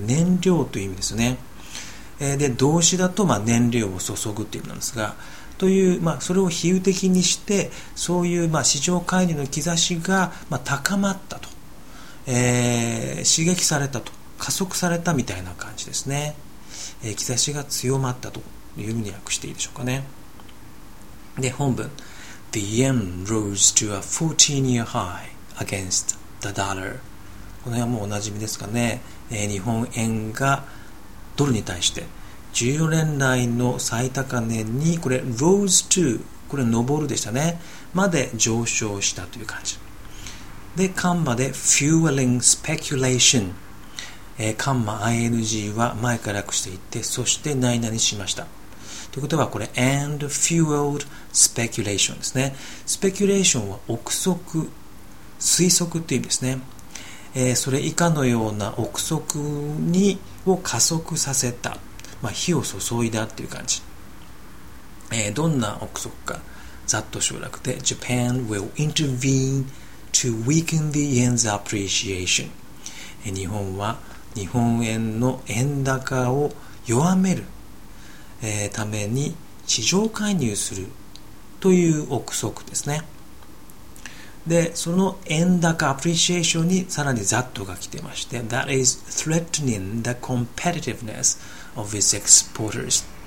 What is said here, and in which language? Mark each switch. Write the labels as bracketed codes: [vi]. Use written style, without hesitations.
[ja] 燃料という意味ですね。で、動詞だと、まあ、燃料を注ぐという意味なんですが、という、まあ、それを比喩的にして、そういう、まあ、市場介入の兆しが、まあ、高まったと。刺激されたと、加速されたみたいな感じですね。兆しが強まったというふうに訳していいでしょうかね。で、本文。 [en] The yen rose to a 14-year high against the dollar. [ja] この辺はもうおなじみですかね。日本円がドルに対して14年来の最高値に、これ、 [en] rose to、 [ja] これ、上るでしたね。まで上昇したという感じ。で、カンマで [en] fueling speculation、 [ja] カンマ ing は前から訳していって、そして何々しました。ということはこれ [en] and fueled speculation [ja] ですね。 speculation は憶測、推測という意味ですね。それ以下のような憶測にを加速させた。まあ、火を注いだという感じ。どんな憶測か。ざっと省略で [en] Japan will intervene to weaken the yen's appreciation. [ja] 日本は日本円の円高を弱めるために市場介入するという憶測ですね。で、その円高 appreciation にさらにざっとが来てまして、 [en] That is threatening the competitiveness of its exporters.